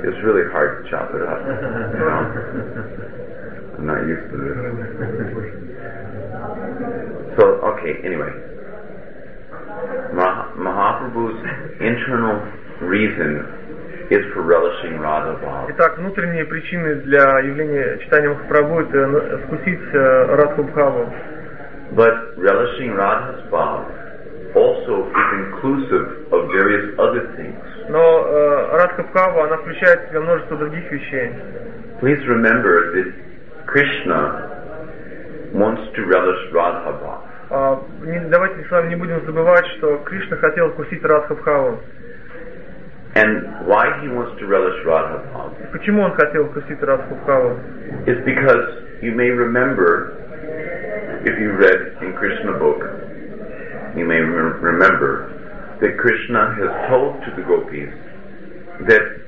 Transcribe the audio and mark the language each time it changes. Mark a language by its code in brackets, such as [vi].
[en] It's really hard to chop it up. No. I'm not used to this. So, okay, anyway. Mahaprabhu's internal reason is for relishing Radha Bhava. [ru] Итак, внутренние причины для явления читания Махапрабху это вкусить Радху Бхаву. [en] But relishing Radha Bhava also is inclusive of various other things. [ru] Но Радха Бхава она включает в себя множество других вещей. [en] Please remember that Krishna wants to relish Radha Bhava. [ru] Давайте с вами не будем забывать, что Кришна хотел вкусить Радха Бхаву. [en] And why he wants to relish Radha Bhava? [ru] Почему он хотел вкусить Радху Бхаву? [en] It's because you may remember, if you read in Krishna book, you may remember that Krishna has told to the gopis that